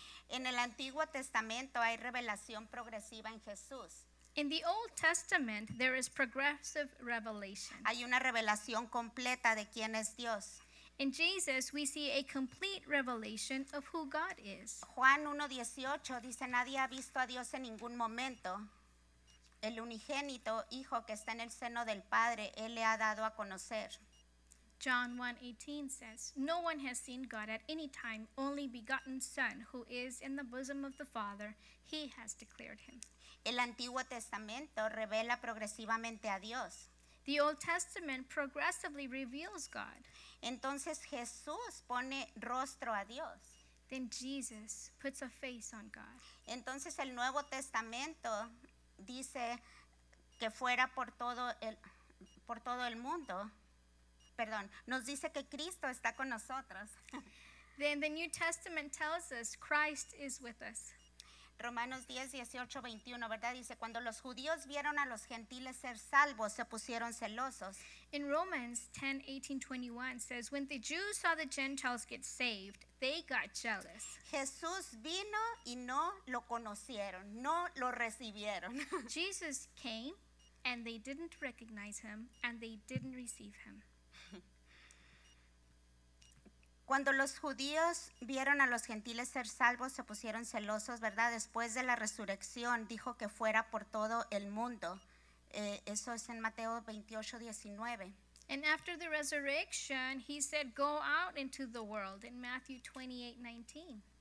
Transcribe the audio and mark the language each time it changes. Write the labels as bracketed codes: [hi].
[es] En el Antiguo Testamento hay revelación progresiva en Jesús. [en] In the Old Testament there is progressive revelation. [es] Hay una revelación completa de quién es Dios. [en] In Jesus, we see a complete revelation of who God is. [es] Juan 1:18 dice, nadie ha visto a Dios en ningún momento. El unigénito hijo que está en el seno del Padre, él le ha dado a conocer. [en] John 1:18 says, no one has seen God at any time, only begotten Son, who is in the bosom of the Father, he has declared him. [es] El Antiguo Testamento revela progresivamente a Dios. [en] The Old Testament progressively reveals God. [es] Entonces Jesús pone rostro a Dios. [en] Then Jesus puts a face on God. [es] Entonces el Nuevo Testamento dice que fuera por todo el mundo. Perdón, nos dice que Cristo está con nosotros. [en] Then the New Testament tells us Christ is with us. [es] Romanos 10:18-21, ¿verdad? Dice, cuando los judíos vieron a los gentiles ser salvos, se pusieron celosos. [en] In Romans 10:18-21 says, when the Jews saw the Gentiles get saved, they got jealous. [es] Jesús vino y no lo conocieron, no lo recibieron. [en] Jesus came and they didn't recognize him and they didn't receive him. [es] Cuando los judíos vieron a los gentiles ser salvos, se pusieron celosos, ¿verdad? Después de la resurrección, dijo que fuera por todo el mundo. Eso es en Mateo 28:19. [en] And after the resurrection, he said, go out into the world, in Matthew 28:19.